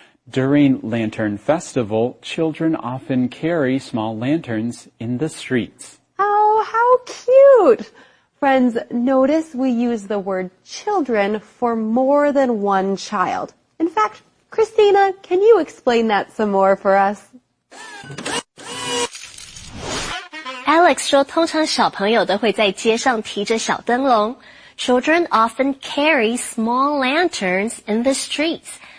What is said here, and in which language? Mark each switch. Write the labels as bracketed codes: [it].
[en] During Lantern Festival, children often carry small lanterns in the streets. Oh, how cute! Friends, notice we use the word children for more than one child. In fact, Christina, can you explain that some more for us? [zh] Alex 说通常小朋友都会在街上提着小灯笼。 [en] Children often carry small lanterns in the streets.